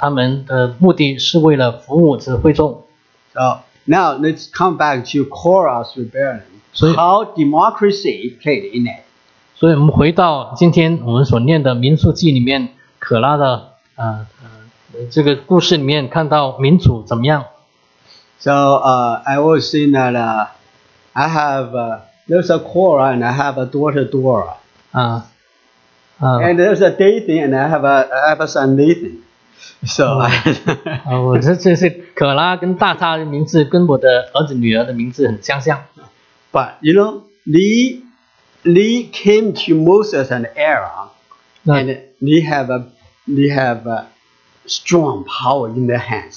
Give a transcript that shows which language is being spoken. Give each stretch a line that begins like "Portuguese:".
Chinese: 所以他们是从这些会众中间有了权柄，他们的目的是为了服务这会众。
English: So, now let's come back to Korah's rebellion. How democracy played in it.
Chinese: 所以我们回到今天我们所念的民数记里面可拉的这个故事里面看到民主怎么样。
English: So I was saying that I have there's a Korah and I have a daughter Dora. And there's a Dathan and I have a son Nathan. So I
Chinese: 我这是可拉跟大他的名字跟我的儿子女儿的名字很相像。
English: But you know, Lee came to Moses and Aaron, and they have a strong power in their hands.